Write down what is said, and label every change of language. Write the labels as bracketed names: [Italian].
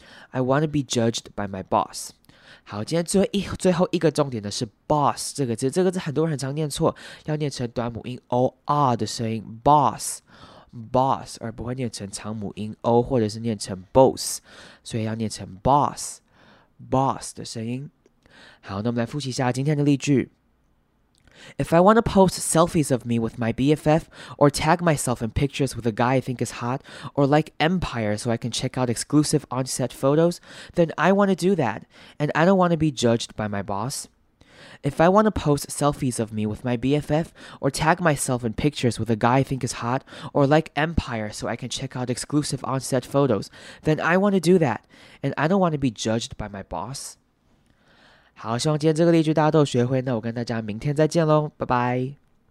[English] I want to be judged by my boss. [Chinese] 好，今天最后一个重点的是 boss 这个字，这个字很多人很常念错，要念成短母音 o r 的声音 boss。 Boss, 而不会念成长母音 O, 或者是念成 Boss, 所以要念成 Boss, Boss 的声音。好，那我们来复习一下今天的例句。 [English] If I want to post selfies of me with my BFF, or tag myself in pictures with a guy I think is hot, or like Empire so I can check out exclusive on-set photos, then I want to do that, and I don't want to be judged by my boss. If I want to post selfies of me with my BFF, or tag myself in pictures with a guy I think is hot, or like Empire so I can check out exclusive on-set photos, then I want to do that, and I don't want to be judged by my boss. [Chinese] 好，希望今天这个例句大家都学会，那我跟大家明天再见咯，拜拜。